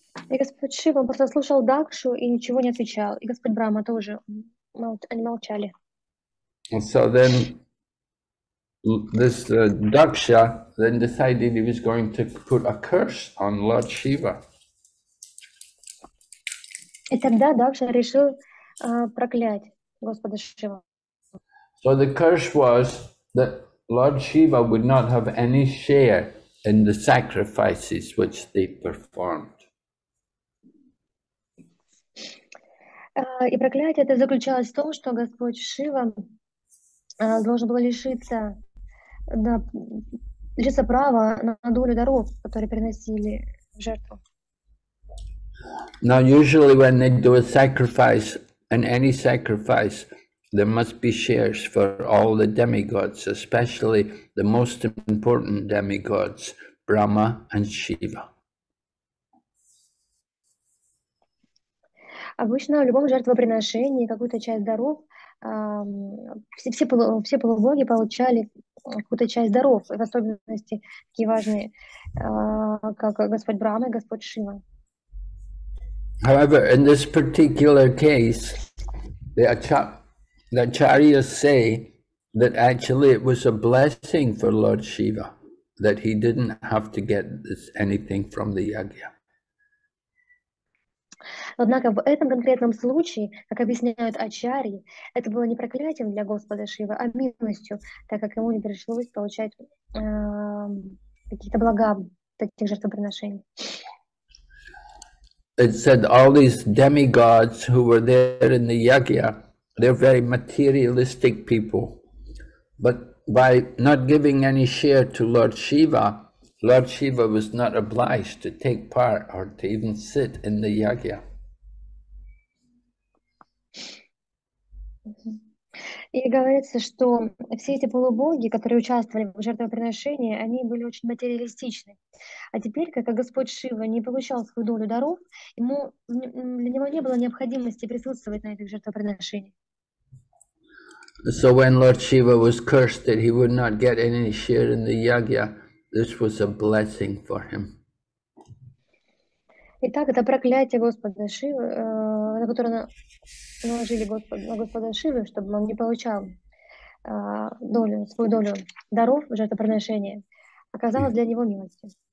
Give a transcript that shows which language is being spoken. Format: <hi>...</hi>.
<ru>И Господь Шива просто слушал Дакшу и ничего не отвечал. И Господь Брама тоже. Они молчали.</ru> <en>And so then this Daksha then decided he was going to put a curse on Lord Shiva.</en> <ru>И тогда Дакша решил проклять Господа Шива.</ru> <en>So the curse was that Lord Shiva would not have any share in the sacrifices which they performed.</en> <ru>И проклятие это заключалось в том, что Господь Шива должен был лишиться права на долю даров, которые приносили в жертву.</ru> <en>Now usually when they do a sacrifice, and any sacrifice, There must be shares for all the demigods, especially the most important demigods, Brahma and Shiva.</en> <ru>Обычно в любом жертвоприношении какую-то часть даров, все полубоги получали какую-то часть даров, в особенности такие важные, как Господь Брама и Господь Шива.</ru> <en>However, in this particular case, the acharyas say that actually it was a blessing for Lord Shiva that he didn't have to get this anything from the yagya.</en> <ru>Однако в этом конкретном случае, как объясняют ачарьи, это было не проклятием для Господа Шивы, а милостью, так как ему не пришлось получать какие-то блага от этих жертвоприношений.</ru> <en>It said all these demigods who were there in the yagya, they're very materialistic people. But by not giving any share to Lord Shiva, Lord Shiva was not obliged to take part or to even sit in the yagya.</en> <ru>И говорится, что все эти полубоги, которые участвовали в жертвоприношении, они были очень материалистичны. А теперь, когда Господь Шива не получал свою долю даров, ему, для него не было необходимости присутствовать на этих жертвоприношениях.</ru> <en>So when Lord Shiva was cursed that he would not get any share in the yagya, this was a blessing for him.</en> <ru>Итак, это проклятие Господа Шивы, на которое наложили Господа Шивы, чтобы он не получал свою долю даров в жертвоприношении, оказалось для него милостью.</ru>